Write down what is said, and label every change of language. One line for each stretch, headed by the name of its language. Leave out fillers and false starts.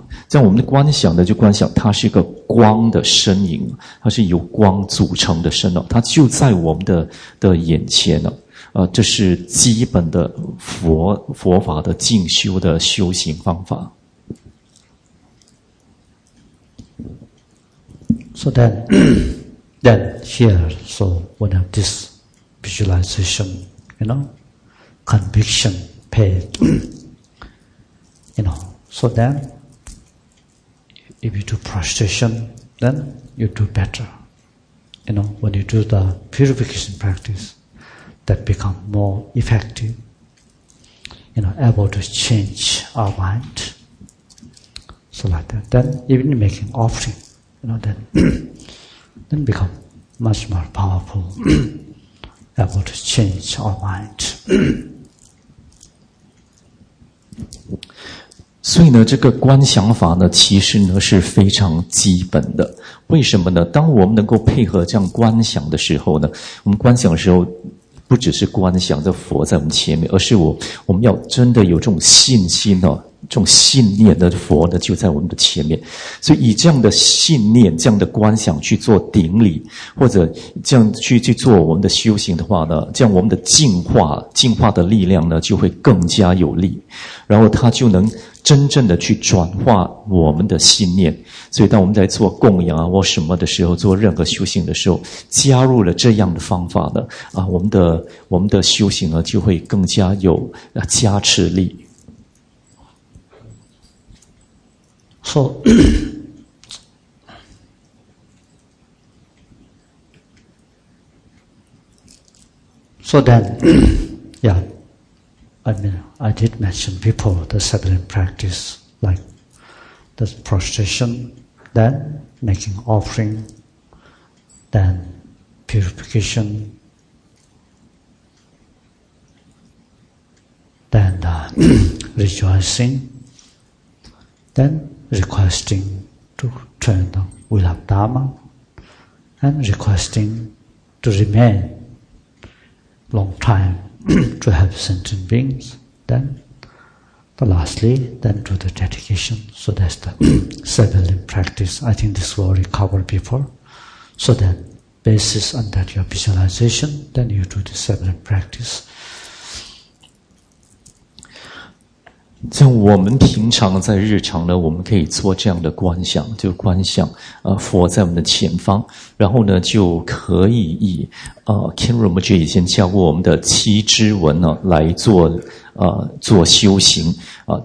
Chinese: 像我们的观想呢，就观想它是一个光的身影，它是由光组成的身它就在我们的眼前了。这是基本的佛法的进修的修行方法。
English: So then here, so when I have this visualization, you know, conviction, faith, you know, so then, if you do prostration, then you do better. You know, when you do the purification practice, that become more effective, you know, able to change our mind. So like that. Then even making offering,You know, then become much more powerful, able to change our mind.
Chinese: 所以呢，这个观想法呢，其实呢是非常基本的。为什么呢？当我们能够配合这样观想的时候呢，我们观想的时候不只是观想着佛在我们前面，而是我们要真的有这种信心种信念的佛呢就在我们的前面。所以以这样的信念，这样的观想去做顶礼，或者这样去做我们的修行的话呢，这样我们的进化的力量呢就会更加有力，然后它就能真正的去转化我们的信念。所以当我们在做供养啊或什么的时候，做任何修行的时候，加入了这样的方法呢，啊，我们的修行呢就会更加有加持力。
English: So, so then, yeah, I mean, I did mention before the seven practice, like the prostration, then making offering, then purification, then rejoicing, then. Requesting to train the will of Dharma and requesting to remain long time to help sentient beings. Then, lastly, then to the dedication. So that's the seven practice. I think this was already covered before. So then, basis on that your visualization, then you do the seven practice.
Chinese: 像我们平常在日常呢，我们可以做这样的观想，就观想佛在我们的前方，然后呢就可以以Ken Rinpoche 以前教过我们的七支文呢来做修行啊。